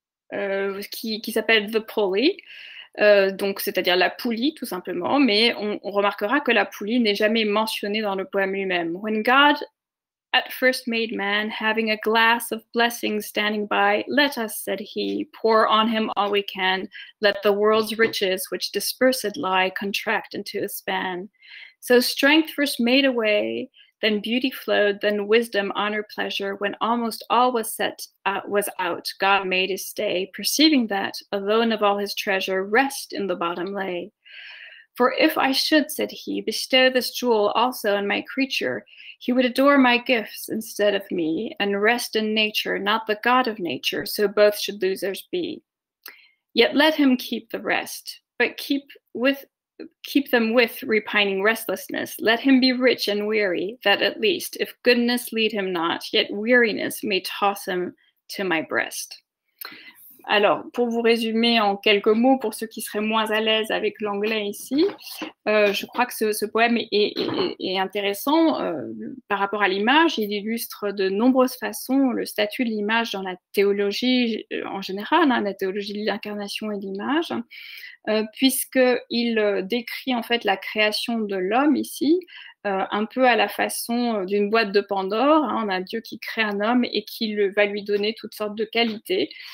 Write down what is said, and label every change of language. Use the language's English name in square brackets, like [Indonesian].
[French] Qui s'appelle « The Pulley ». Donc, c'est-à-dire la poulie, tout simplement, mais on remarquera que la poulie n'est jamais mentionnée dans le poème lui-même. [English] When God at first made man, having a glass of blessings standing by, let us, said he, pour on him all we can, let the world's riches, which dispersed lie, contract into a span. So strength first made a way, then beauty flowed, then wisdom, honor, pleasure. When almost all was set, was out, God made his stay, perceiving that, alone of all his treasure, rest in the bottom lay. For if I should, said he, bestow this jewel also on my creature, he would adore my gifts instead of me, and rest in nature, not the God of nature, so both should losers be. Yet let him keep the rest, but keep them with repining restlessness. Let him be rich and weary, that at least, if goodness lead him not, yet weariness may toss him to my breast. [French] Alors, pour vous résumer en quelques mots, pour ceux qui seraient moins à l'aise avec l'anglais ici, je crois que ce poème est intéressant par rapport à l'image. Il illustre de nombreuses façons le statut de l'image dans la théologie en général, hein, la théologie de l'incarnation et de l'image, puisqu'il décrit en fait la création de l'homme ici, un peu à la façon d'une boîte de Pandore, hein, on a Dieu qui crée un homme et qui va lui donner toutes sortes de qualités.